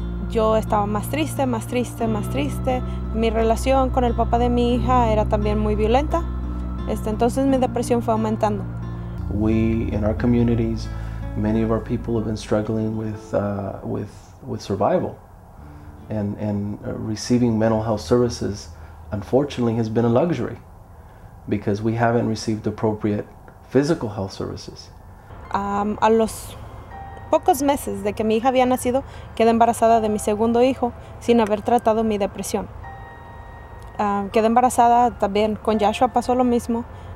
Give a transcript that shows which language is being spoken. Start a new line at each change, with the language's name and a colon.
Spanish: Yo estaba más triste, más triste, más triste. Mi relación con el papá de mi hija era también muy violenta. Entonces mi depresión fue aumentando.
English: We in our communities, many of our people have been struggling with survival, and receiving mental health services, unfortunately, has been a luxury because we haven't received appropriate physical health services.
Spanish: A los pocos meses de que mi hija había nacido, quedé embarazada de mi segundo hijo sin haber tratado mi depresión. Quedé embarazada también con Joshua, pasó lo mismo.